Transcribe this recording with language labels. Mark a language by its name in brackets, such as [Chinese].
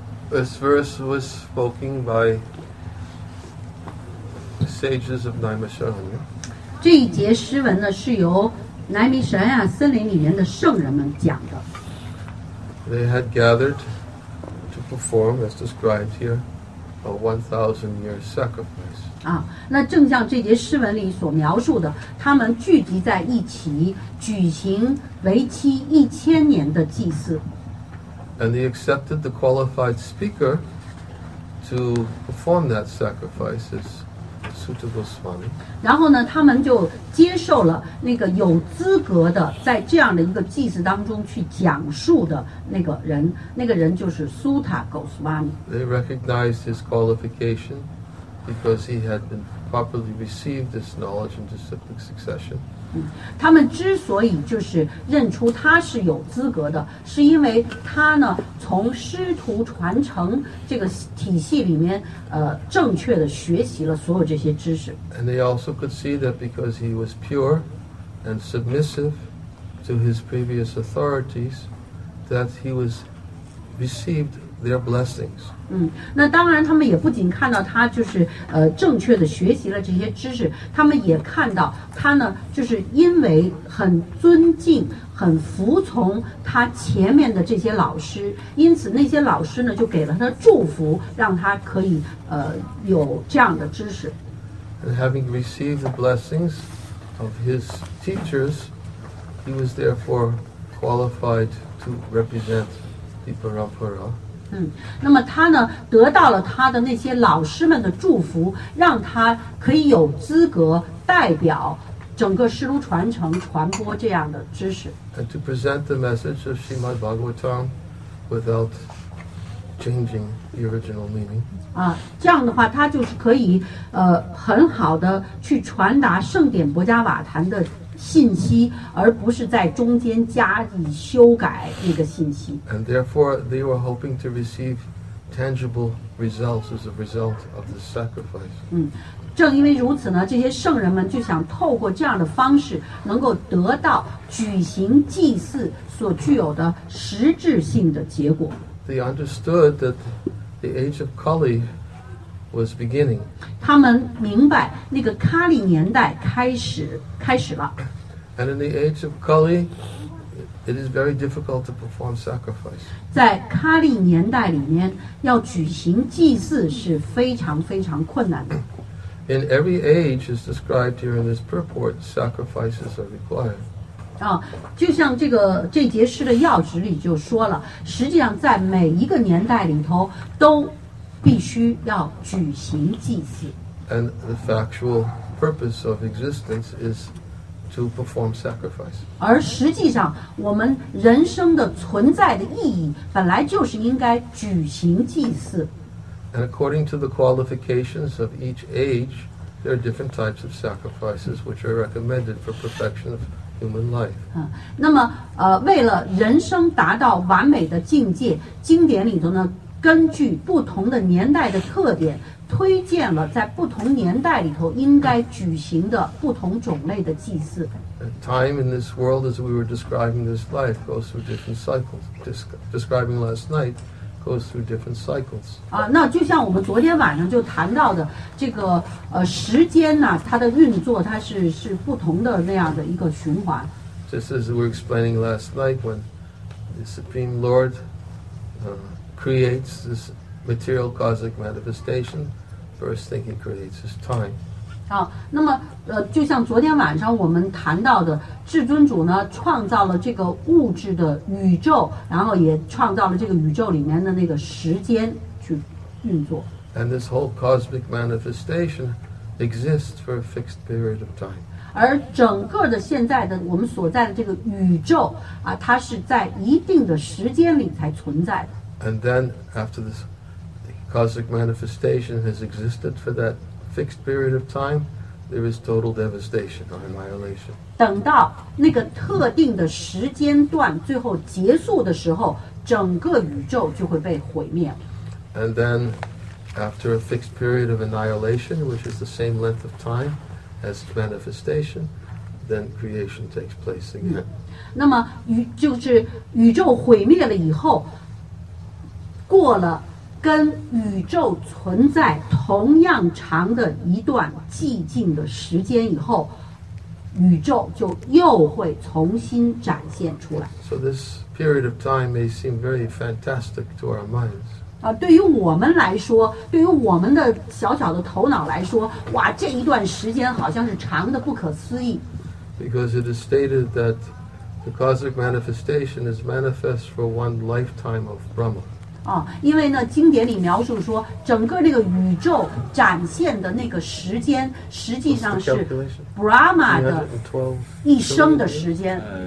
[English] This verse was spoken by sages of Naimisharanya. [Chinese] 这一节诗文呢，是由南米舍亚森林里面的圣人们讲的。 [English] They had gathered to perform, as described here, a 1,000-year sacrifice. [Chinese] 啊，那正像这节诗文里所描述的，他们聚集在一起，举行为期1,000年的祭祀。 [English] And they accepted the qualified speaker to perform that sacrifice as suitable swami. [Chinese] 然后呢，他们就接受了那个有资格的在这样的一个祭祀当中去讲述的那个人，那个人就是苏塔狗苏妈咪。 [English] They recognized his qualification because he had been properly received this knowledge in disciplic succession. [Chinese] 他们之所以就是认出他是有资格的，是因为他呢从师徒传承这个体系里面正确的学习了所有这些知识。 [English] And they also could see that because he was pure and submissive to his previous authorities, that he was received their blessings. [Chinese] 那当然他们也不仅看到他就是正确的学习了这些知识，他们也看到他呢就是因为很尊敬很服从他前面的这些老师，因此那些老师呢就给了他祝福，让他可以有这样的知识。 [English] And having received the blessings of his teachers, he was therefore qualified to represent the Parampara. [Chinese] 那么他呢得到了他的那些老师们的祝福，让他可以有资格代表整个师徒传承传播这样的知识。 [English] And to present the message of Srimad Bhagavatam without changing the original meaning. [Chinese] 这样的话他就是可以很好的去传达圣典薄伽瓦坛的信息，而不是在中间加以修改那个信息。 [English] And therefore they were hoping to receive tangible results as a result of the sacrifice. [Chinese] 正因为如此呢，这些圣人们就想透过这样的方式能够得到举行祭祀所具有的实质性的结果。 [English] They understood that the age of Kali was beginning. [Chinese] 他们明白那个喀利年代开始了。 [English] And in the age of Kali, it is very difficult to perform sacrifice. [Chinese] 在喀利年代里面要举行祭祀是非常非常困难的。 [English] In every age, as described here in this purport, sacrifices are required. [Chinese] 就像这节诗的要旨里就说了，实际上在每一个年代里头都必须要举行祭祀。 [English] And the factual purpose of existence is to perform sacrifice. [Chinese] 而实际上我们人生的存在的意义本来就是应该举行祭祀。 [English] And according to the qualifications of each age, there are different types of sacrifices which are recommended for perfection of human life. [Chinese] 那么为了人生达到完美的境界，经典里头呢根据不同的年代的特点推荐了在不同年代里头应该举行的不同种类的祭祀。 [English] Time in this world, as we were describing this life, goes through different cycles. Describing last night goes through different cycles. [Chinese] 啊，那就像我们昨天晚上就谈到的这个时间呢，它的运作它是不同的那样的一个循环。 [English] Just as we were explaining last night, when the Supreme Lord creates this material cosmic manifestation, first thing he creates is time. [Chinese] 啊，那么就像昨天晚上我们谈到的，至尊主呢创造了这个物质的宇宙，然后也创造了这个宇宙里面的那个时间去运作。 [English] And this whole cosmic manifestation exists for a fixed period of time. [Chinese] 而整个的现在的我们所在的这个宇宙啊，它是在一定的时间里才存在的。 [English] And then after this cosmic manifestation has existed for that fixed period of time, there is total devastation or annihilation. [Chinese] 等到那个特定的时间段最后结束的时候，整个宇宙就会被毁灭。 [English] And then after a fixed period of annihilation, which is the same length of time as manifestation, then creation takes place again. [Chinese] 那么就是宇宙毁灭了以后，过了跟宇宙存在同样长的一段寂静的时间以后，宇宙就又会重新展现出来。 [English] So this period of time may seem very fantastic to our minds. [Chinese] 啊，对于我们来说，对于我们的小小的头脑来说，哇，这一段时间好像是长的不可思议。 [English] Because it is stated that the cosmic manifestation is manifest for one lifetime of Brahma. [Chinese] 啊，因为呢，经典里描述说，整个这个宇宙展现的那个时间，实际上是 Brahma 的一生的时间。